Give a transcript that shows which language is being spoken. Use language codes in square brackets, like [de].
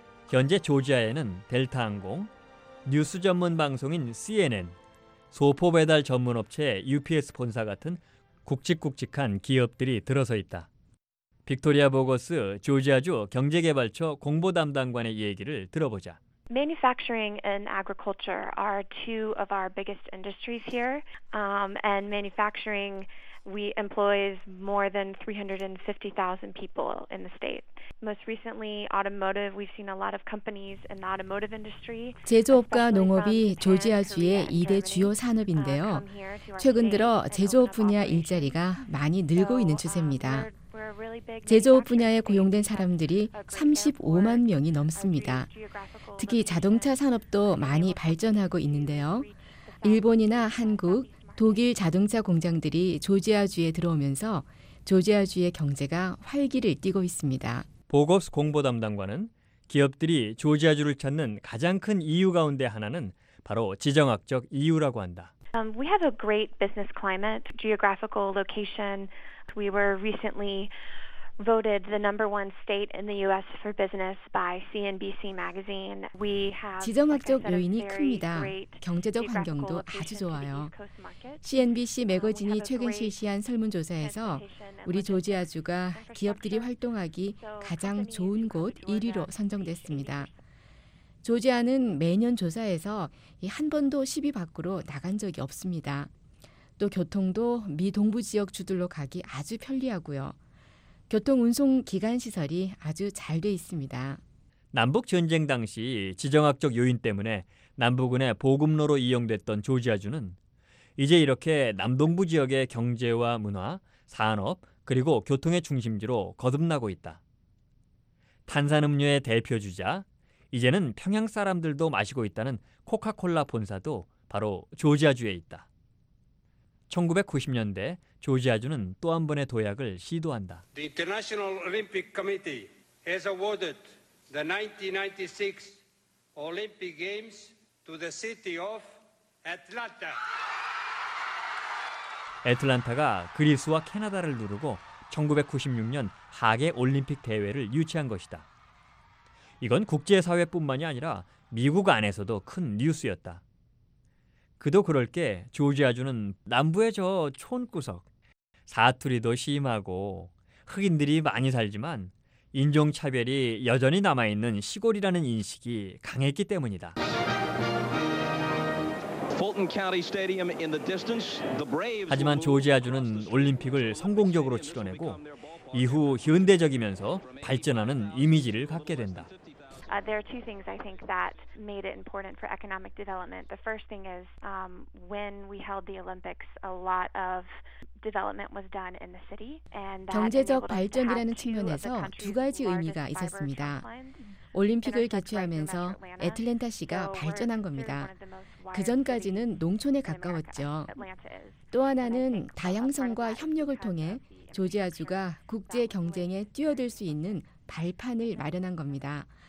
[ko] 현재 조지아에는 델타항공, 뉴스 전문 방송인 CNN, 소포 배달 전문업체 UPS 본사 같은 굵직굵직한 기업들이 들어서 있다. 빅토리아 보거스 조지아주 경제개발처 공보 담당관의 얘기를 들어보자. [en] Manufacturing and agriculture are two of our biggest industries here. And manufacturing we employs more than 350,000 people in the state. Most recently, automotive. We've seen a lot of companies in the automotive industry. [ko] 제조업과 농업이 조지아주의 2대 주요 산업인데요. 최근 들어 제조업 분야 일자리가 많이 늘고 있는 추세입니다. 제조업 분야에 고용된 사람들이 35만 명이 넘습니다. 특히 자동차 산업도 많이 발전하고 있는데요. 일본이나 한국, 독일 자동차 공장들이 조지아주에 들어오면서 조지아주의 경제가 활기를 띠고 있습니다. 보거스 공보 담당관은 기업들이 조지아주를 찾는 가장 큰 이유 가운데 하나는 바로 지정학적 이유라고 한다. [en] We have a great business climate, geographical location. We were recently voted the number one state in the U.S. for business by CNBC magazine. We have [ko] 지정학적 요인이 큽니다. 경제적 환경도 아주 좋아요. CNBC 매거진이 최근 실시한 설문조사에서 우리 조지아주가 기업들이 활동하기 가장 좋은 곳 1위로 선정됐습니다. 조지아는 매년 조사에서 한 번도 10위 밖으로 나간 적이 없습니다. 또 교통도 미 동부 지역 주들로 가기 아주 편리하고요. 교통 운송 기관 시설이 아주 잘 돼 있습니다. 남북 전쟁 당시 지정학적 요인 때문에 남부군의 보급로로 이용됐던 조지아주는 이제 이렇게 남동부 지역의 경제와 문화, 산업 그리고 교통의 중심지로 거듭나고 있다. 탄산음료의 대표 주자, 이제는 평양 사람들도 마시고 있다는 코카콜라 본사도 바로 조지아주에 있다. 1990년대 조지아주는 또 한 번의 도약을 시도한다. [en] The International Olympic Committee has awarded the 1996 Olympic Games to the city of Atlanta. [ko] 애틀란타가 그리스와 캐나다를 누르고 1996년 하계 올림픽 대회를 유치한 것이다. 이건 국제사회뿐만이 아니라 미국 안에서도 큰 뉴스였다. 그도 그럴 게 조지아주는 남부의 저 촌구석, 사투리도 심하고 흑인들이 많이 살지만 인종차별이 여전히 남아있는 시골이라는 인식이 강했기 때문이다. [en] Fulton County Stadium in the distance, the Braves. [ko] 하지만 조지아주는 올림픽을 성공적으로 치러내고 이후 현대적이면서 발전하는 이미지를 갖게 된다. [en] There are two things I think that made it important for economic development. The first thing is when we held the Olympics, a lot of development was done in the city. And [ko] 경제적 발전이라는 측면에서 두 가지 의미가 있었습니다. 올림픽을 개최하면서 애틀랜타시가 발전한 겁니다. 그전까지는 농촌에 가까웠죠. 또 하나는 다양성과 협력을 통해 조지아주가 국제 경쟁에 뛰어들 수 있는 발판을 마련한 겁니다.